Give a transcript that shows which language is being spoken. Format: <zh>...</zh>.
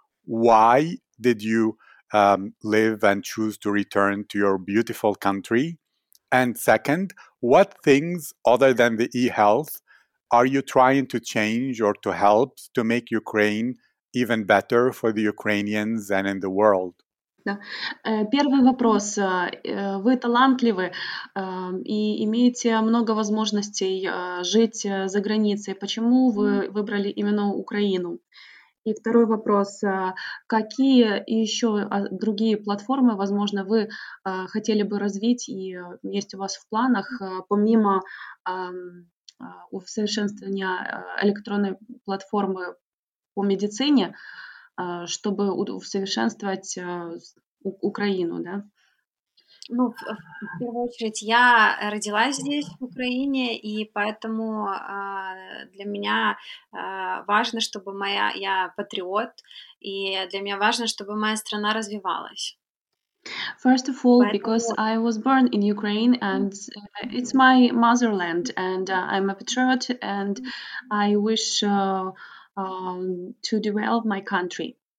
<en>why did you live and choose to return to your beautiful country? And second, what things other than the e-health are you trying to change or to help to make Ukraine even better for the Ukrainians and in the world?</en> <ru>Первый вопрос. Вы талантливы и имеете много возможностей жить за границей. Почему вы выбрали именно Украину? И второй вопрос. Какие еще другие платформы, возможно, вы хотели бы развить и есть у вас в планах, помимо усовершенствования электронной платформы по медицине, чтобы усовершенствовать Украину, да? Ну, в первую очередь, я родилась здесь, в Украине, и поэтому для меня важно, чтобы моя... Я патриот, и для меня важно, чтобы моя страна развивалась.</ru> <en>First of all, because I was born in Ukraine and it's my motherland, and I'm a patriot, and I wish to develop my country.</en>